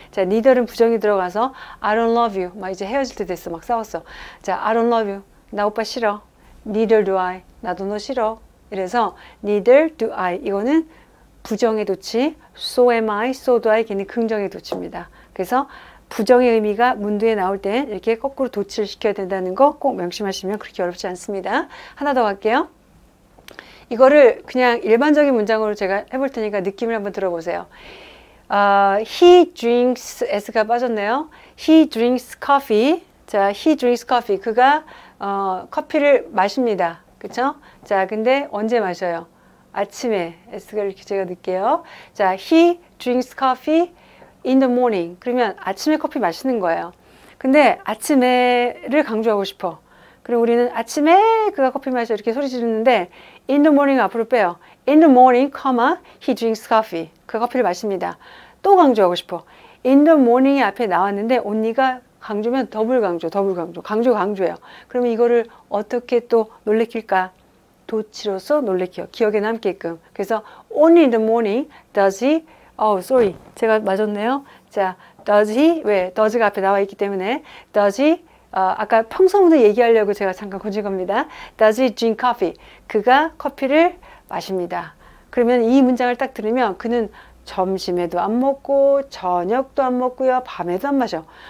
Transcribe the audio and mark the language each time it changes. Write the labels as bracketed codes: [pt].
[ko] 자, neither은 부정이 들어가서 [en] I don't love you. [ko] 막 이제 헤어질 때 됐어. 막 싸웠어. 자, [en] I don't love you. [ko] 나 오빠 싫어. [en] Neither do I. [ko] 나도 너 싫어. 그래서 [en] neither do I [ko] 이거는 부정의 도치, [en] so am I, so do I [ko] 걔는 긍정의 도치입니다. 그래서 부정의 의미가 문두에 나올 때 이렇게 거꾸로 도치를 시켜야 된다는 거꼭 명심하시면 그렇게 어렵지 않습니다. 하나 더 갈게요. 이거를 그냥 일반적인 문장으로 제가 해볼 테니까 느낌을 한번 들어보세요. [en] He drinks [ko] s가 빠졌네요. [en] He drinks coffee. 자, he drinks coffee. [ko] 그가 커피를 마십니다. [en] 그렇죠? [ko] 자, 근데 언제 마셔요? 아침에 s가 이렇게 제가 넣을게요. [en] 자, he drinks coffee in the morning. [ko] 그러면 아침에 커피 마시는 거예요. 근데 아침에를 강조하고 싶어. 그리고 우리는 아침에 그가 커피 마셔 이렇게 소리 지르는데 [en] in the morning [ko] 앞으로 빼요. [en] in the morning, comma, he drinks coffee. [ko] 그가 커피를 마십니다. 또 강조하고 싶어. in the morning이 앞에 나왔는데 언니가 강조면 더블 강조, 더블 강조. 강조 강조예요. 그러면 이거를 어떻게 또 놀래킬까? 도치로서 놀래켜. 기억에 남게끔. [en] 그래서 only in the morning does he, oh, sorry. [ko] 제가 맞았네요. 자, does he? 왜? does가 앞에 나와 있기 때문에 does he? 아까 평소부터 얘기하려고 제가 잠깐 고친 겁니다. [en] Does he drink coffee? [ko] 그가 커피를 마십니다. 그러면 이 문장을 딱 들으면 그는 점심에도 안 먹고 저녁도 안 먹고요. 밤에도 안 마셔.